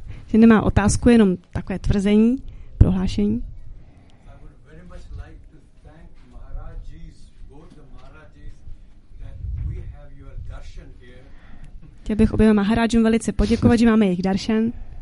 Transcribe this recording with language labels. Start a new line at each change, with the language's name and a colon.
Czech: Ty nemá otázku, jenom takové tvrzení, prohlášení.
English: I would very much like to thank Maharajis, both the Maharajis, that we have your darshan here.
Czech: Chtěl bych oběma Maharajům velice poděkovat, že máme jejich darshan.